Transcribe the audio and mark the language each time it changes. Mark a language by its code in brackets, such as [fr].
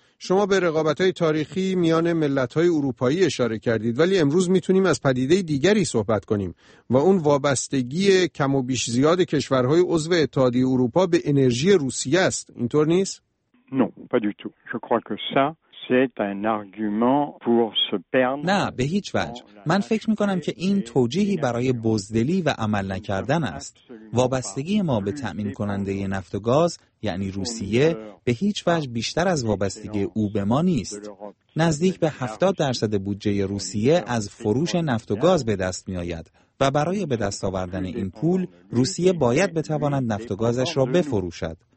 [fa] شما به رقابت‌های تاریخی میان ملت‌های اروپایی اشاره کردید، ولی امروز میتونیم از پدیده دیگری صحبت کنیم و اون وابستگی کم و بیش زیاد کشورهای عضو اتحادیه اروپا به انرژی روسیه است. اینطور نیست؟ نه، [fr] pas du tout. Je crois que ça c'est un argument pour se perdre. [fa] نه، به هیچ وجه. من فکر می‌کنم که این توجیهی برای بزدلی و عمل نکردن است. وابستگی ما به تأمین کننده نفت و گاز، یعنی روسیه، به هیچ وجه بیشتر از وابستگی او به ما نیست. نزدیک به 70% بودجه روسیه از فروش نفت و گاز به دست می‌آید و برای به دست آوردن این پول، روسیه باید بتواند نفت و گازش را بفروشد.